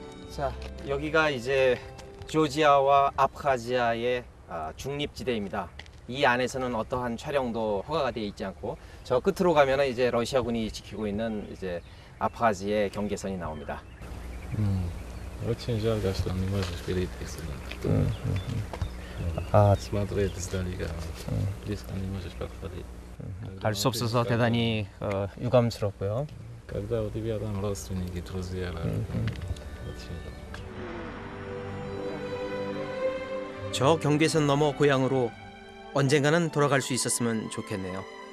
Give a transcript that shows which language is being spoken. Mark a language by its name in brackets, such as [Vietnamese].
[Korean] 자, 여기가 이제 조지아와 아프카지아의 중립지대입니다. 이 안에서는 어떠한 촬영도 허가가 되어 있지 않고 저 끝으로 가면 이제 러시아군이 지키고 있는 이제 아프카지의 경계선이 나옵니다. [Russian] очень жаль, что не можешь перейти сюда. Смотреть издалека. Близко не можешь подходить. [Korean] 갈 수 없어서 대단히 유감스럽고요. [Russian] Когда у тебя там родственники, друзья. [Korean] 저 경계선 넘어 고향으로 언젠가는 돌아갈 수 있었으면 좋겠네요.